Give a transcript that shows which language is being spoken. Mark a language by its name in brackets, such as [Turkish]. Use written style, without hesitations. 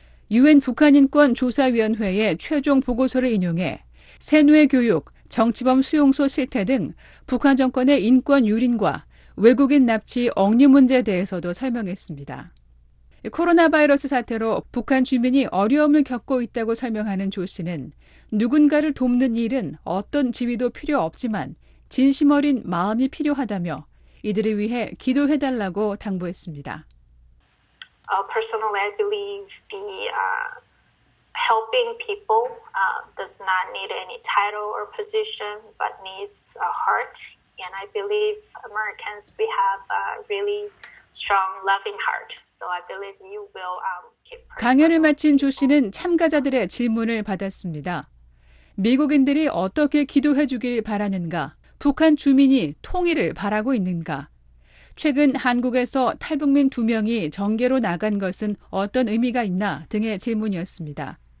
[Korean] 유엔 북한인권조사위원회의 최종 보고서를 인용해 세뇌 교육, 정치범 수용소 실태 등 북한 정권의 인권 유린과 외국인 납치 억류 문제에 대해서도 설명했습니다. 코로나 바이러스 사태로 북한 주민이 어려움을 겪고 있다고 설명하는 조 씨는 누군가를 돕는 일은 어떤 지위도 필요 없지만 진심 어린 마음이 필요하다며 이들을 위해 기도해달라고 당부했습니다. [English] Personally, I believe the helping people does not need any title or position, but needs a heart. And I believe Americans, we have a really strong, loving heart. So I believe you will keep. [Korean] 강연을 마친 조 씨는 참가자들의 질문을 받았습니다. 미국인들이 어떻게 기도해 주길 바라는가? 북한 주민이 통일을 바라고 있는가? 최근 한국에서 탈북민 두 명이 정계로 나간 것은 어떤 의미가 있나 등의 질문이었습니다.